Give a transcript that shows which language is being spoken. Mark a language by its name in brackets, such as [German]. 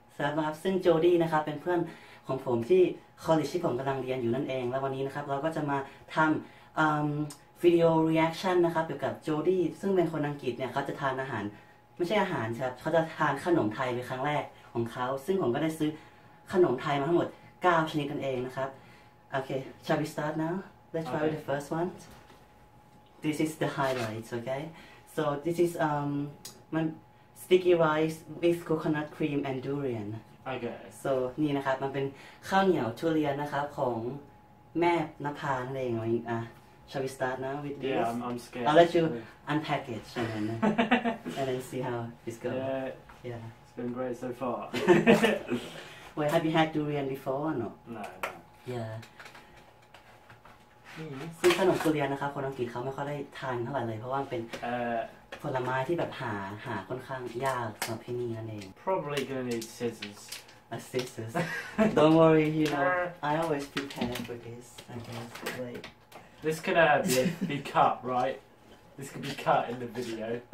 [Thai] สวัสดีครับซึ่งโจดี้นะครับเป็นเพื่อนของผมที่คอลเลจที่ผมกำลังเรียนอยู่นั่นเองแล้ววันนี้นะครับเราก็จะมาทำวิดีโอเรีแอคชั่นนะครับเกี่ยวกับโจดี้ซึ่งเป็นคนอังกฤษเนี่ยเขาจะทานอาหารไม่ใช่อาหารครับเขาจะทานขนมไทยเป็นครั้งแรกของเขาซึ่งผมก็ได้ซื้อขนมไทยมาทั้งหมด9ชนิดกันเองนะครับโอเค [English] shall we start now let's try Okay. the first oneThis is the highlights, okay? So this is my sticky rice with coconut cream and durian. I guess. [Thai] So นี่นะครับมันเป็นข้าวเหนียวทุเรียนนะครับของแม่นภาเองอ่ะ [English] Shall we start now with this? Yeah, I'm scared. I'll let you unpack it and then see how it's going. Yeah. Yeah. It's been great so far. Wait, have you had durian before or not? No. Yeah. [Thai] ซึ่งขนมทุเรียนนะครับคนอังกฤษเขาไม่ค่อยได้ทานเท่าไหร่เลยเพราะว่าเป็นผลไม้ที่แบบหาค่อนข้างยากสำหรับที่นี่นั่นเอง [English] Probably gonna need scissors A scissors Don't worry you know I always prepare for this I guess like This could be cut right This could be cut in the video